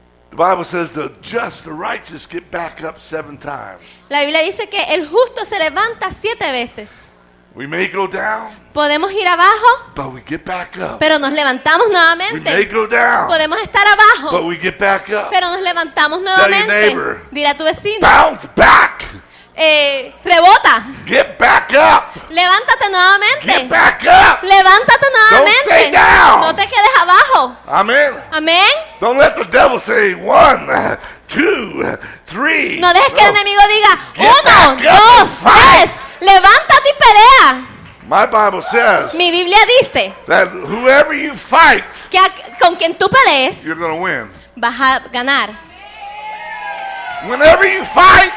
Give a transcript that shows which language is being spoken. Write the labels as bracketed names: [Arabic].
[English] The Bible says the just, the righteous get back up 7 times. [Spanish] La Biblia dice que el justo se levanta 7 veces. [English] We may go down. [Spanish] Podemos ir abajo. [English] But we get back up. [Spanish] Pero nos levantamos nuevamente. [English] We may go down. [Spanish] Podemos estar abajo. [English] But we get back up. [Spanish] Pero nos levantamos nuevamente. [English] Tell your neighbor. [Spanish] Dile a tu vecino. [English] Bounce back. [Spanish] Rebota. [English] Get back up. [Spanish] Levántate nuevamente. [English] Get back up. [Spanish] Levántate nuevamente. [English] Don't stay down. [Spanish] No te quedes abajo. [English] Amen. [Spanish] Amen. [English] Don't let the devil say one, two, three. [Spanish] No dejes que el enemigo diga uno, dos, tres. Levántate y pelea. [English] My Bible says. [Spanish] Mi Biblia dice. [English] That whoever you fight. [Spanish] Que con quien tú pelees. [English] You're gonna win. [Spanish] Vas a ganar. [English] Whenever you fight.